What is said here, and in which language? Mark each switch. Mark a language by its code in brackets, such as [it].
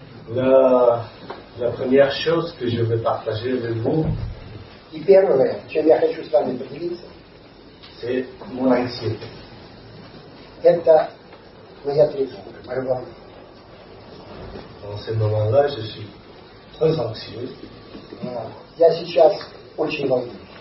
[fr] La première chose que je veux partager avec vous. [ru] И первое, чем я хочу с вами поделиться. [fr] C'est mon anxiété. [ru] Это моя тревога, моя волна. [fr] Dans ce moment-là, je suis très anxieux. [ru] Я сейчас очень волнуюсь.